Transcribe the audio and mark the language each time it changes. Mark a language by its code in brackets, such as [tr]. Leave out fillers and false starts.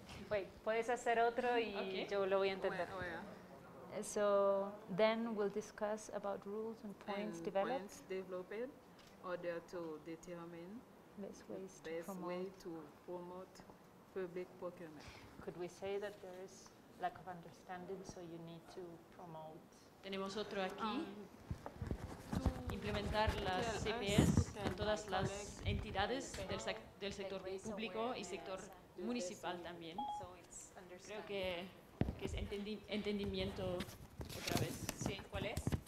[en] Wait, [es] puedes hacer otro y yo lo voy a entender. [en] So then we'll discuss about rules and points and developed. Points developed order to determine. Best way to promote public procurement. Could we say that there is lack of understanding, so you need to promote? [es] Tenemos otro aquí. Implementar las CPS en todas las entidades del sector público y sector municipal también. [en] So it's understanding. [es] Creo que es entendimiento otra vez. Sí, ¿cuál es?